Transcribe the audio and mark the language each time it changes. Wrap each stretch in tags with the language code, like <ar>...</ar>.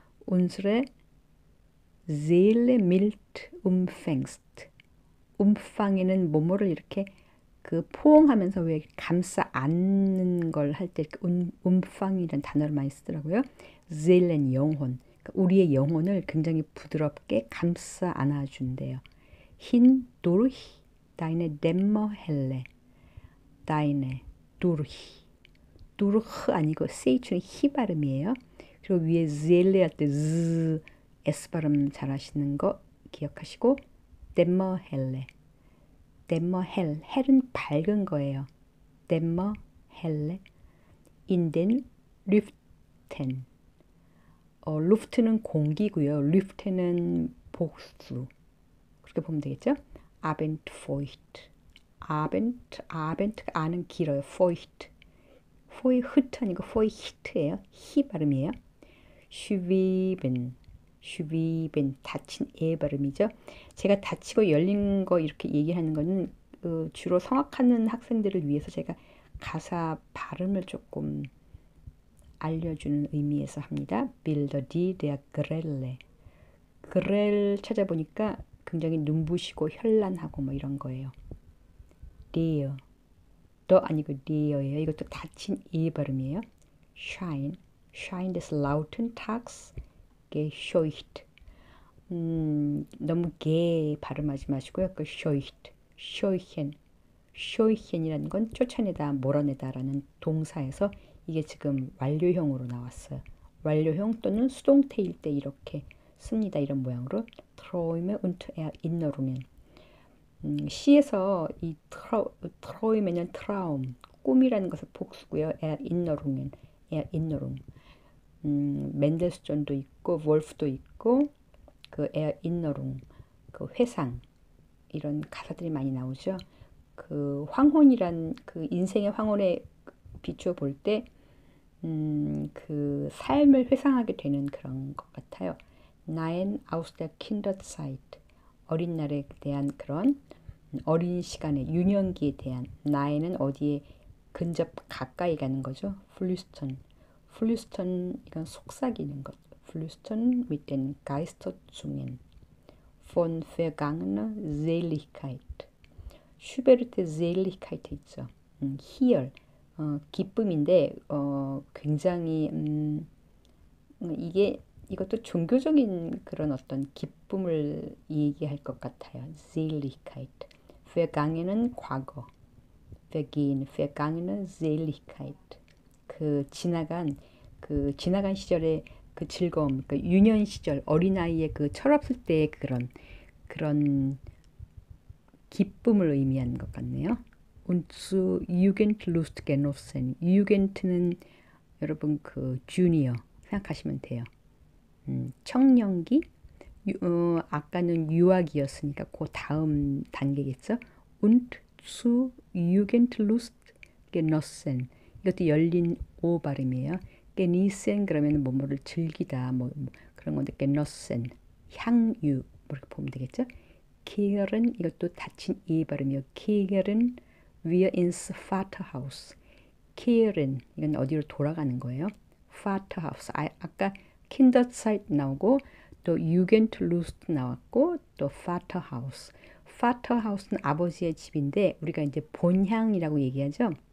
<de>Unsere Seele mild umfängst.</de> <ko>움팡이는 뭐뭐를 이렇게 그 포옹하면서 왜 감싸 안는 걸할때 움팡이라는 단어를 많이 쓰더라고요.</ko> <de>Seelen, 영혼.</de> <ko>우리의 영혼을 굉장히 부드럽게 감싸 안아준대요.</ko> <de>Hin durch deine Dämmerhelle. Deine durch.</de> <ko>Durch 아니고 세이츠는 히 발음이에요. 그리고 위에 Seele 할때 Z, S 발음 잘 하시는 거 기억하시고 Dämmerhelle. Dämmerhell, hell은 밝은 거예요.</ko> <de>Dämmerhelle, in den Lüften.</de> <ko>Luft는 공기고요. Lüften은 복수. 그렇게 보면 되겠죠?</ko> <de>Abendfeucht.</de> <ko>Abend, 아는 길어요. Feucht. Feucht 아니고 Feucht예요. 히 발음이에요. Schweben, 닫힌 에 발음이죠. 제가 닫히고 열린 거 이렇게 얘기하는 거는 주로 성악하는 학생들을 위해서 제가 가사 발음을 조금 알려주는 의미에서 합니다.</ko> <de>Bilder, die der Grelle.</de> <ko>Grell 찾아보니까 굉장히 눈부시고 현란하고 뭐 이런 거예요. Der. 더 아니고 der예요. 이것도 닫힌 E 발음이에요.</ko> <de>Schein. Schein des lauten Tags gescheucht.</de> <ko>너무 개 발음하지 마시고요.</ko> <de>그 scheucht. Schöchen.</de> <ko>Schöchen이라는 건 쫓아내다, 몰아내다라는 동사에서 이게 지금 완료형으로 나왔어요. 완료형 또는 수동태일 때 이렇게 씁니다. 이런 모양으로.</ko> <de>Träume und Erinnerungen.</de> <ko>시에서 이 트로이메는 트라움, 꿈이라는 것을 복수고요. 에 인너룸엔 에 인너룸. 멘델스존도 있고 월프도 있고 그에 인너룸 그 회상 이런 가사들이 많이 나오죠. 그 황혼이란 그 인생의 황혼에 비추어 볼 때, 그 삶을 회상하게 되는 그런 것 같아요.</ko> <de>Nein aus der Kinderzeit,</de> <ko>어린 날에 대한 그런 어린 시간의 유년기에 대한 나에는 어디에 근접 가까이 가는 거죠. Flüstern, Flüstern 이건 속삭이는 것.</ko> <de>Flüstern mit den Geisterzungen von vergangener Seligkeit.</de> <ko>슈베르트의 Seligkeit 있죠. Hier 기쁨인데 굉장히 이게 이것도 종교적인 그런 어떤 기쁨을 얘기할 것 같아요.</ko> <de>Seligkeit. Vergangenen 과거. Vergehen. Vergangene Seligkeit.</de> <ko>그 지나간 시절의 그 즐거움, 그 유년 시절, 어린아이의 그 철없을 때의 그런 기쁨을 의미하는 것 같네요.</ko> <de>Und zu Jugendlust genossen.</de> <ko>Jugend는 여러분 그 주니어 생각하시면 돼요. 청년기? 아까는 유아기였으니까 그 다음 단계겠죠?</ko> <de>Und zu Jugendlust genossen.</de> <ko>이것도 열린 오 발음이에요. Genießen 그러면 뭐뭐를 즐기다 뭐 그런 건데 genossen 향유 이렇게 보면 되겠죠? Kehren 이것도 닫힌 이 발음이요.</ko> <de>Kehren wir ins Vaterhaus.</de> <ko>Kehren 이건 어디로 돌아가는 거예요? Vaterhaus. 아까 Kinderzeit 나오고 또 Jugendlust 나왔고 또 Vaterhaus. Vaterhaus는 아버지의 집인데 우리가 이제 본향이라고 얘기하죠.</ko>